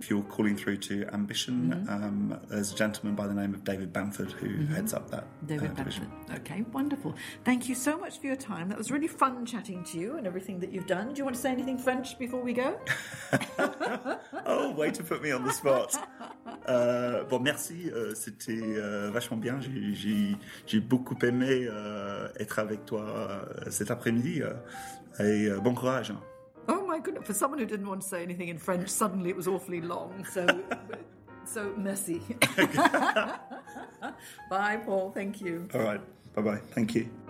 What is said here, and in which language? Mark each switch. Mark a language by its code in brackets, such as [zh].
[en] If you're calling through to Ambition, mm-hmm. There's a gentleman by the name of David Bamford who mm-hmm. heads up that David division. Bamford. Okay, wonderful. Thank you so much for your time. That was really fun chatting to you and everything that you've done. Do you want to say anything French before we go? Oh, way to put me on the spot. [fr] Bon, merci, c'était vachement bien, j'ai beaucoup aimé être avec toi cet après-midi et bon courage. [en] Oh my goodness, for someone who didn't want to say anything in French, suddenly it was awfully long, so so merci. Bye Paul, thank you. All right, bye bye, thank you.